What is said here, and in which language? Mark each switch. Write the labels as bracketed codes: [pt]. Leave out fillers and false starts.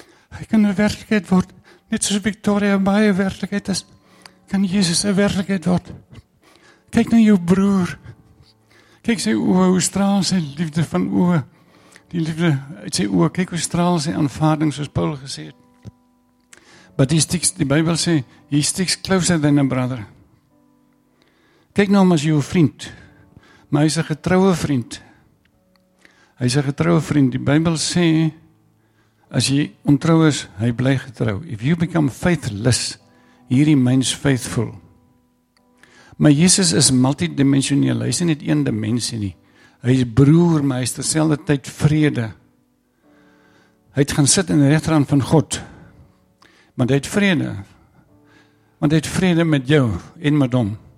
[af] Hy kan 'n werklikheid word, net soos Victoria Bay 'n werklikheid is, kan Jesus 'n werklikheid word. Kyk na jou broer, kyk sy oë, hoe straal sy liefde van oë, die liefde uit sy oë, kyk hoe straal sy aanvaarding, soos Paul gesê het. [en] But he sticks, [af] die Bybel sê, [en] he sticks closer than a brother. [af] Kyk na hom as jou vriend, maar hy is 'n getroue vriend. Hy is 'n getroue vriend. Die Bybel sê, as jy ontrou is, hy bly getrou. [en] If you become faithless, he remains faithful. [af] Maar Jesus is multidimensioneel. Hy is nie net een dimensie nie. Hy is broer, maar hy is terselfde tyd vrede. Hy het gaan sit in die regterhand van God. Want hy het vrede. Want hy het vrede met jou en met hom.